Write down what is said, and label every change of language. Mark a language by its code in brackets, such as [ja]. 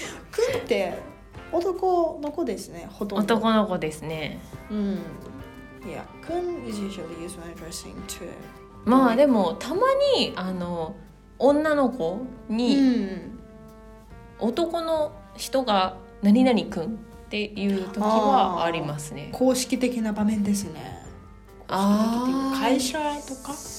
[ja] くんって男の子ですね、ほとんど。男の子ですね。 [en] Yeah, 君 is usually used when addressing to. [ja] まあでもたまにあの女の子に、うん、男の人が何々君っていう時はありますね。公式的な場面ですね。ああ、会社とか？